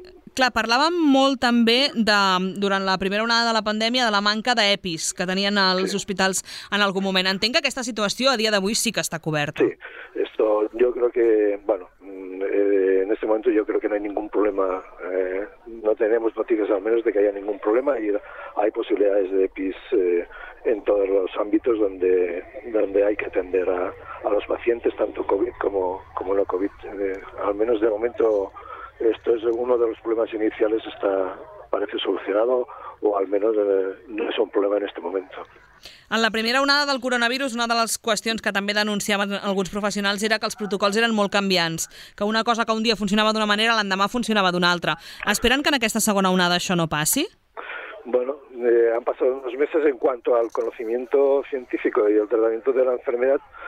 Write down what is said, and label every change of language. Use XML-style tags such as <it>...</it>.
<ca>Clar, parlàvem molt també de, durant la primera onada de la pandèmia, de la manca d'EPIs que tenien els hospitals en algun moment. Entenc que aquesta situació a dia d'avui sí que està coberta.</ca> <es>Sí, esto, yo creo que, bueno, en este momento yo creo que no hay ningún problema, no tenemos noticias al menos de que haya ningún problema y hay posibilidades de EPIs en todos los ámbitos donde hay que atender a los pacientes, tanto COVID como no COVID. Al menos de momento esto es uno de los problemas iniciales, parece solucionado, o al menos no es un problema en este momento.</es> <ca>En la primera onada del coronavirus, una de les qüestions que també denunciaven alguns professionals era que els protocols eren molt canviants, que una cosa que un dia funcionava d'una manera, l'endemà funcionava d'una altra. Esperen que en aquesta segona onada això no passi?</ca> <es>Bueno, han pasado unos meses en cuanto al conocimiento científico y el tratamiento de la enfermedad.</es>